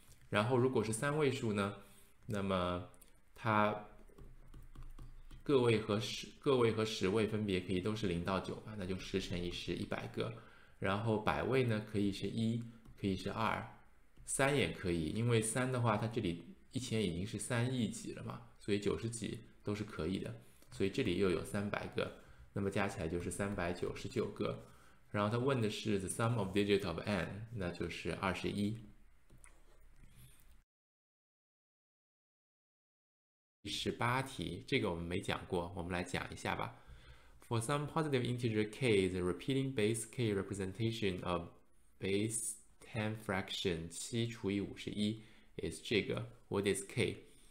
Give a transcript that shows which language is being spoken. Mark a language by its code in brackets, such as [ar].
[zh] 然后如果是三位数呢，那么它个位和10位分别可以都是零到九吧，那就10×10=100个。然后百位呢，可以是一，可以是二，三也可以，因为三的话，它这里1000已经是3亿几了嘛，所以90几都是可以的，所以这里又有300个，那么加起来就是399个。然后它问的是 [en] the sum of digit of n， [zh] 那就是21。第18题，这个我们没讲过，我们来讲一下吧。 [en] For some positive integer k, the repeating base k representation of base 10 fraction 7 [zh] 除以 [en] 51 is [zh] 这个。 [en] What is k？